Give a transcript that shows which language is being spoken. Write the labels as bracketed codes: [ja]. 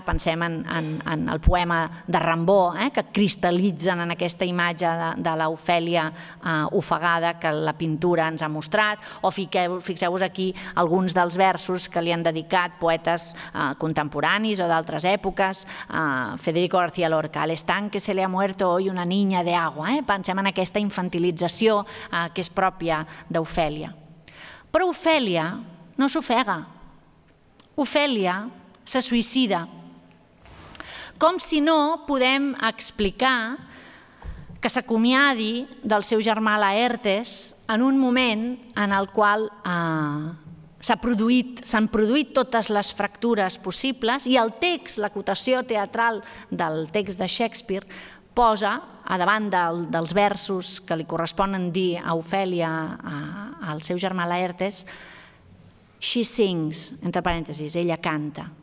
[ca] Pensem en el poema de Rimbaud, que cristal·litzen en aquesta imatge de l'Ofèlia ofegada que la pintura ens ha mostrat. O fixeu-vos aquí alguns dels versos que li han dedicat poetes contemporanis o d'altres èpoques. [es] Federico García Lorca, al estanque se le ha muerto hoy una niña de agua. [ca] Pensem en aquesta infantilització que és pròpia d'Ofèlia. Però Ofèlia no s'ofega. Ofèlia se suïcida. Com si no podem explicar que s'acomiadi del seu germà Laertes en un moment en el qual s'han produït totes les fractures possibles, i el text, l'acotació teatral del text de Shakespeare, posa, a davant dels versos que li corresponen dir a Ofèlia, al seu germà Laertes, [en] she sings, [ca] entre parèntesis, ella canta.